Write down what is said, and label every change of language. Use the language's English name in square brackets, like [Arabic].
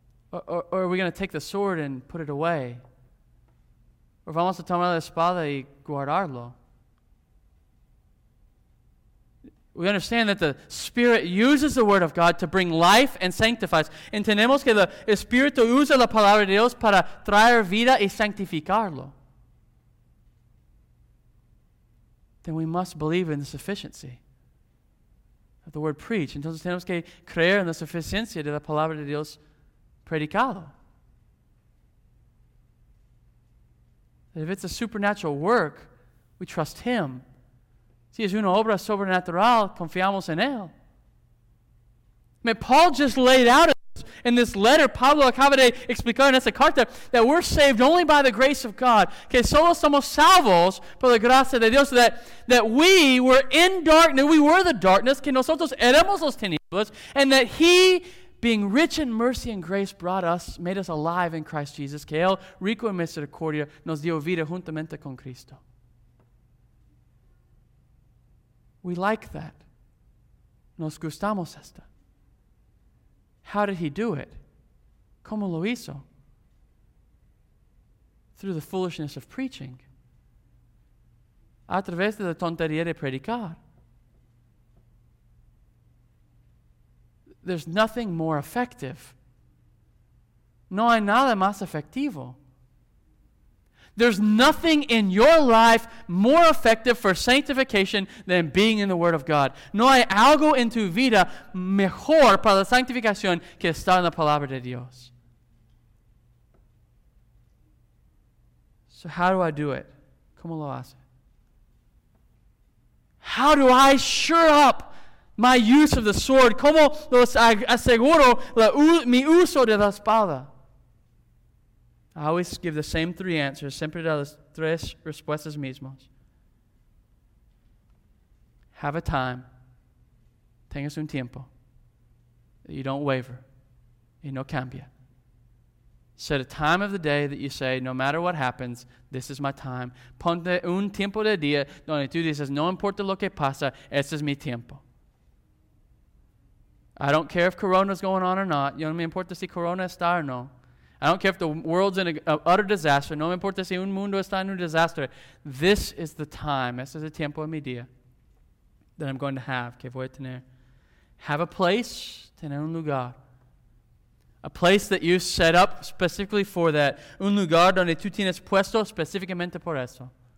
[English] Or are we going to take the sword and put it away? Or [Spanish] vamos a tomar la espada y guardarlo? [English] We understand that the Spirit uses the Word of God to bring life and sanctify us. [Spanish] Entendemos que el Espíritu usa la palabra de Dios para traer vida y sanctificarlo. [English] Then we must believe in the sufficiency of the word preached. [Spanish] Entonces tenemos que creer en la suficiencia de la palabra de Dios predicada. [English] That if it's a supernatural work, we trust Him. [Spanish] Si es una obra sobrenatural, confiamos en Él. [English] I mean, Paul just laid out in this letter, [Spanish] Pablo acaba de explicar en esta carta, [English] that we're saved only by the grace of God. [Spanish] Que solo somos salvos por la gracia de Dios. [English] That we were in darkness, we were the darkness, [Spanish] que nosotros éramos los tinieblas, [English] and that He, being rich in mercy and grace, brought us, made us alive in Christ Jesus. [Spanish] Que Él, rico en misericordia, nos dio vida juntamente con Cristo. [English] We like that. [Spanish] Nos gustamos esta. [English] How did He do it? [Spanish] ¿Cómo lo hizo? [English] Through the foolishness of preaching. [Spanish] A través de la tontería de predicar. [English] There's nothing more effective. [Spanish] No hay nada más efectivo. [English] There's nothing in your life more effective for sanctification than being in the Word of God. [Spanish] No hay algo en tu vida mejor para la santificación que estar en la Palabra de Dios. [English] So how do I do it? [Spanish] ¿Cómo lo hace? [English] How do I shore up my use of the sword? [Spanish] ¿Cómo lo aseguro mi uso de la espada? [English] I always give the same three answers, [Spanish] siempre de las tres respuestas mismas. [English] Have a time. [Spanish] Tengas un tiempo. [English] That you don't waver. [Spanish] Y no cambia. [English] Set a time of the day that you say, no matter what happens, this is my time. [Spanish] Ponte un tiempo de día donde tú dices, no importa lo que pasa, este es mi tiempo. [English] I don't care if corona's going on or not. [Spanish] Yo no me importa si corona está o no. [English] I don't care if the world's in an utter disaster. [Spanish] No me importa si un mundo está en un desastre. [English] This is the time. [Spanish] Este es el tiempo de mi día [English] that I'm going to have. [Spanish] Que voy a tener. [English] Have a place. [Spanish] Tener un lugar. [English] A place that you set up specifically for that. [Spanish] Un lugar donde tú tienes puesto específicamente por eso.